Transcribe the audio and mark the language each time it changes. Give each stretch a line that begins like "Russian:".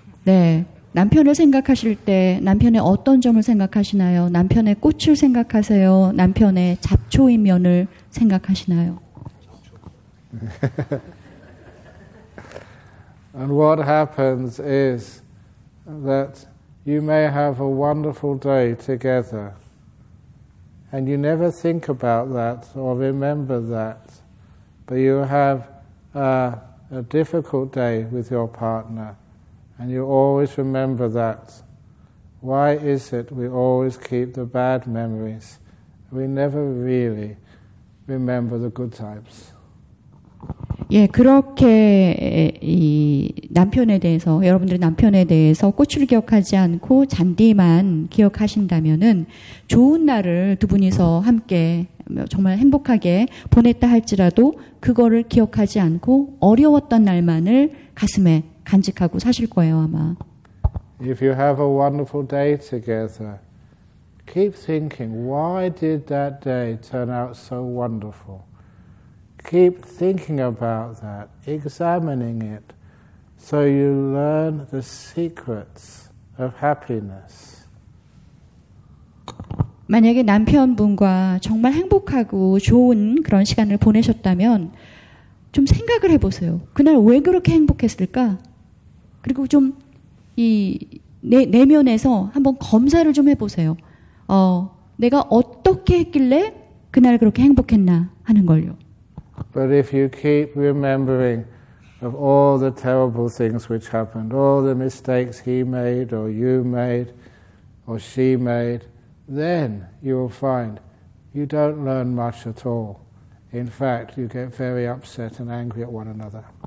Korean: 네. 남편을 생각하실 때 남편의 어떤 점을 생각하시나요? 남편의 꽃을 생각하세요? 남편의 잡초인 면을 생각하시나요?
English: And what happens is that you may have a wonderful day together and you never think about that or remember that, but you have a difficult day with your partner and you always remember that. Why is it we always keep the bad memories? We never really remember the good times.
Korean: 예, 그렇게 이 남편에 대해서 여러분들의 남편에 대해서 꽃을 기억하지 않고 잔디만 기억하신다면은 좋은 날을 두 분이서 함께 정말 행복하게 보냈다 할지라도 그거를 기억하지 않고 어려웠던 날만을 가슴에 간직하고 사실 거예요, 아마.
English: If you have a wonderful day together, keep thinking, why did that day turn out so wonderful? Keep thinking about that, examining it, So you learn the secrets of happiness.
Korean: 만약에 남편분과 정말 행복하고 좋은 그런 시간을 보내셨다면 좀 생각을 해보세요. 그날 왜 그렇게 행복했을까? 그리고 좀 이 내면에서 한번 검사를 좀 해보세요. 내가 어떻게 했길래 그날 그렇게 행복했나 하는 걸요.
English: But if you keep remembering of all the terrible things which happened, all the mistakes he made or you made or she made, then you will find you don't learn much at all. In fact, you get very upset and angry at one another.